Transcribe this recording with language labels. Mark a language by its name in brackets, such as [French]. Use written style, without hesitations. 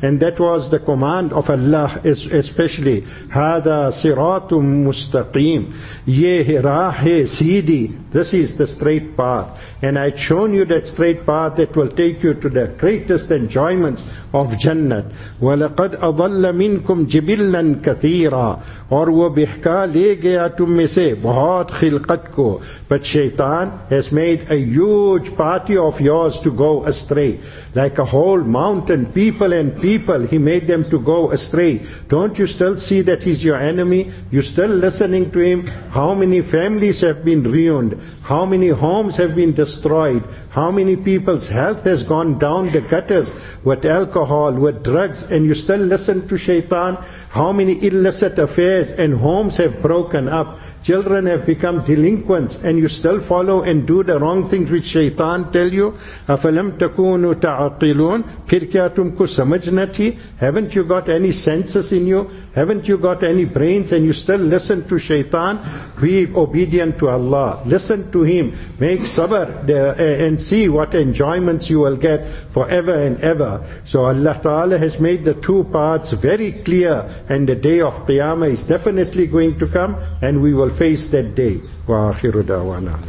[English] And that was the command of Allah especially. [Arabic] هذا صراط مستقيم. [Urdu] Yeh rahe seedi. [English] This is the straight path. And I've shown you that straight path that will take you to the greatest enjoyments of Jannah. [Arabic] وَلَقَدْ أَضَلَّ مِنْكُمْ جِبِلًّا كَثِيرًا. [Urdu] اور وہ بہکا لے گیا تم میں سے بہت خلقت کو. [English] But Shaitan has made a huge party of yours to go astray. Like a whole mountain, people, he made them to go astray. Don't you still see that he's your enemy? You're still listening to him? How many families have been ruined? How many homes have been destroyed? How many people's health has gone down the gutters with alcohol, with drugs, and you still listen to Shaitan? How many illicit affairs and homes have broken up? Children have become delinquents, and you still follow and do the wrong things which Shaitan tell you? [Arabic] أَفَلَمْ تَكُونُ تَعَقِلُونَ [Urdu] پھر کیا تم کو سمجھ نہ تھی. [English] Haven't you got any senses in you? Haven't you got any brains and you still listen to Shaitan? Quran, be obedient to Allah, listen to Him, make sabr, and see what enjoyments you will get forever and ever. So Allah Ta'ala has made the two parts very clear, and the day of Qiyamah is definitely going to come, and we will face that day. Wa akhiru da'wana.